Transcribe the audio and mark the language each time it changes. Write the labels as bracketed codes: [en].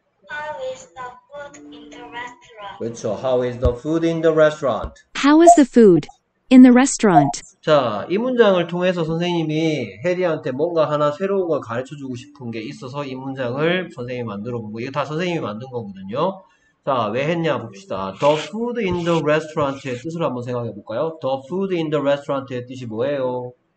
[en] How is the food in the restaurant? [ko] 그렇죠. [en] How is the food in the restaurant? How is the food in the restaurant? [ko] 자, 이 문장을 통해서 선생님이 해리한테 뭔가 하나 새로운 걸 가르쳐주고 싶은 게 있어서 이 문장을 선생님이 만들어 본 거예요. 이거 다 선생님이 만든 거거든요. 자, 왜 했냐 봅시다. [en] The food in the restaurant의 [ko] 뜻을 한번 생각해 볼까요? [en] The food in the restaurant의 [ko] 뜻이 뭐예요?